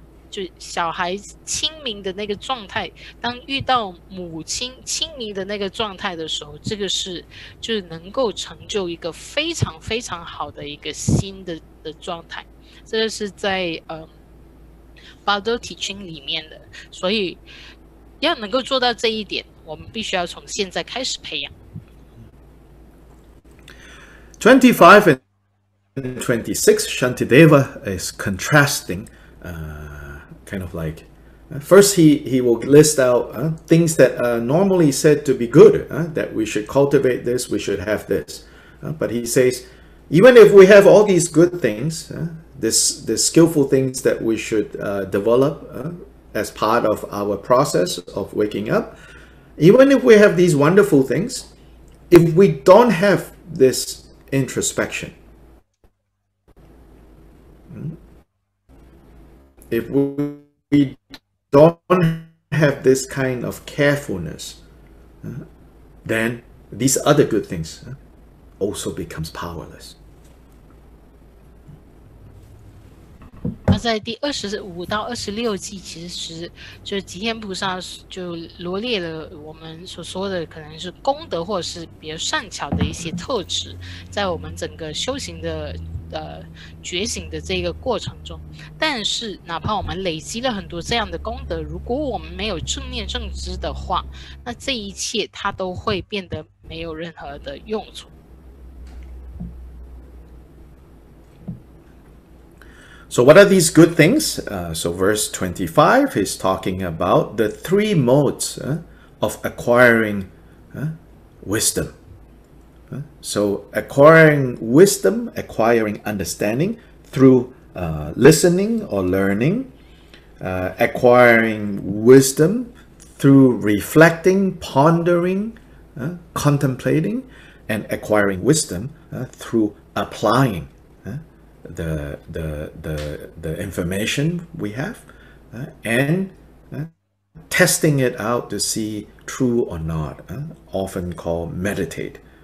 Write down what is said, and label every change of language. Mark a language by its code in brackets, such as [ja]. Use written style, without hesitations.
[zh] 就小孩清明的那个状态，当遇到母亲清明的那个状态的时候，这个是就是能够成就一个非常非常好的一个心 的状态，这个是在Bardo Teaching 里面的。所以要能够做到这一点，我们必须要从现在开始培养。 [en] 25 and 26, Shantideva is contrasting, kind of like, first he will list out things that are normally said to be good, that we should cultivate this, we should have this. But he says, even if we have all these good things, the skillful things that we should develop as part of our process of waking up, even if we have these wonderful things, if we don't have this introspection, if we don't have this kind of carefulness, then these other good things also becomes powerless. [zh] 那在第25到26节，其实就是吉天菩萨就罗列了我们所说的可能是功德或者是比较善巧的一些特质，在我们整个修行的觉醒的这个过程中，但是哪怕我们累积了很多这样的功德，如果我们没有正念正知的话，那这一切它都会变得没有任何的用处。 [en] So what are these good things? So verse 25 is talking about the three modes of acquiring wisdom. So acquiring wisdom, acquiring understanding through listening or learning, acquiring wisdom through reflecting, pondering, contemplating, and acquiring wisdom through applying the information we have and testing it out to see true or not, often called meditate.